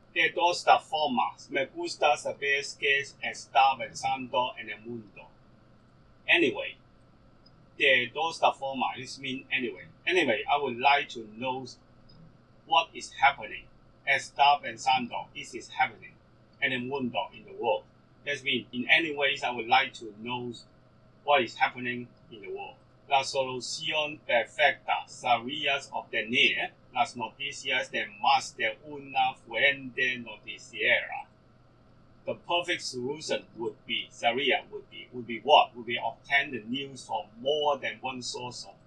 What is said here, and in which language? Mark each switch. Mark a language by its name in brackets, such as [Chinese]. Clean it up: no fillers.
[Spanish] De todas formas, me gusta saber qué está pensando en el mundo. [English] Anyway, [Spanish] de todas formas, [English] this means anyway. Anyway, I would like to know what is happening. [Spanish] Está pensando, [English] this is happening. And a mundo in the world. That means, in any ways, I would like to know what is happening in the world. [Spanish] La solución perfecta sería obtener las noticias de más de una fuente noticiera. [English] The perfect solution would be, sería, would be what? Would be obtain the news from more than one source of.